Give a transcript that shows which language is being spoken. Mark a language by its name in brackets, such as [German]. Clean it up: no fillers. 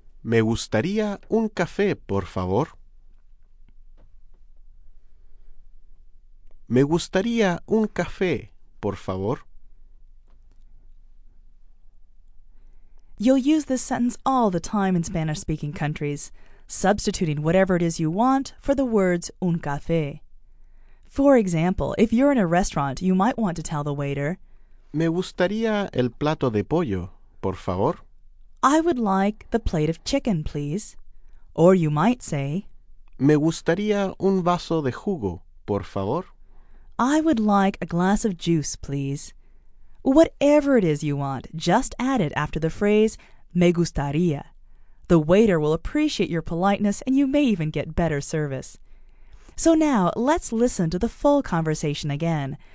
[Spanish] Me gustaría un café, por favor. Me gustaría un café, por favor. [English] You'll use this sentence all the time in Spanish-speaking countries, substituting whatever it is you want for the words [Spanish] un café. [English] For example, if you're in a restaurant, you might want to tell the waiter, [Spanish] Me gustaría el plato de pollo, por favor. [English] I would like the plate of chicken, please. Or you might say, [Spanish] Me gustaría un vaso de jugo, por favor. [English] I would like a glass of juice, please. Whatever it is you want, just add it after the phrase, [Spanish] me gustaría. [English] The waiter will appreciate your politeness and you may even get better service. So now, let's listen to the full conversation again.